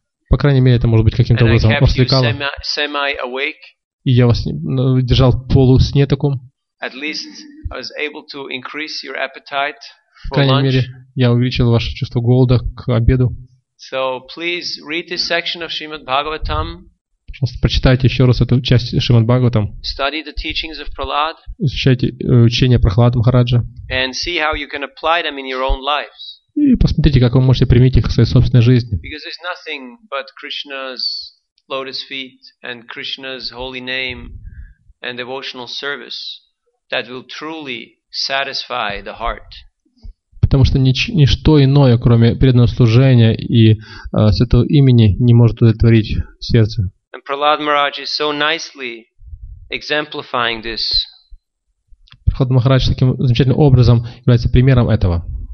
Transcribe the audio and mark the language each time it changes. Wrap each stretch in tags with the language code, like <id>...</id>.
<ru>По крайней мере, это может быть каким-то образом развлекало.</ru> <en>Semi-awake.</en> <ru>И я вас держал в полусне таком.</ru> <en>At least I was able to increase your appetite for lunch.</en> <ru>По крайней мере, я увеличил ваше чувство голода к обеду.</ru> <en>So please read this section of Shrimad Bhagavatam.</en> <ru>Пожалуйста, прочитайте еще раз эту часть Шримад Бхагаватам.</ru> <en>Study the teachings of Prahlad.</en> <ru>Изучайте учение Прахлады Махараджа.</ru> <en>And see how you can apply them in your own lives.</en> <ru>И посмотрите, как вы можете применить их в своей собственной жизни.</ru> <en>Because there's nothing but Krishna's lotus feet and Krishna's holy name and devotional service that will truly satisfy the heart.</en> <ru>Потому что ничто иное, кроме преданного служения и святого имени, не может удовлетворить сердце.</ru> <en>And Prahlad Maharaj is so nicely exemplifying this.</en> <ru>Прахлад Махарадж таким замечательным образом является примером этого.</ru>